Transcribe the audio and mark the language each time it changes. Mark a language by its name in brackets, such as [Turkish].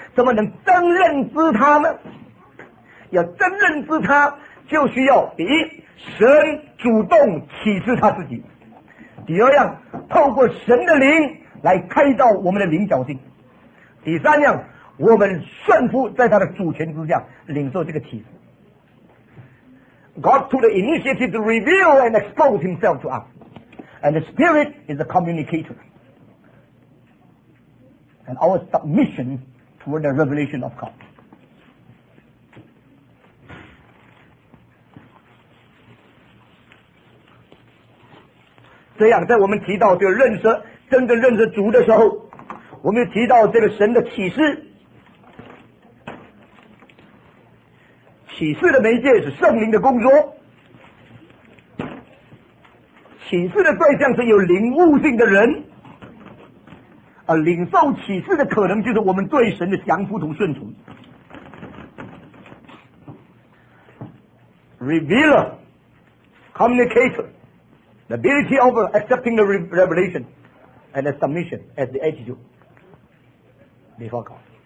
[Chinese] 怎么能真认知他呢？要真认知他，就需要第一，神主动启示他自己；第二样，透过神的灵来开导我们的灵角性；第三样，我们顺服在他的主权之下领受这个启示。 [English] God took the initiative to reveal and expose himself to us. And the Spirit is the communicator. And our submission toward the revelation of God. So, when we talk about this, [Chinese] 认识真正认识主的时候，我们提到这个神的启示。启示的媒介是圣灵的工作，启示的对象是有灵悟性的人，而领受启示的可能就是我们对神的降服同顺从。 [English] Revealer Communicator The ability of accepting the revelation and the submission as the attitude before God.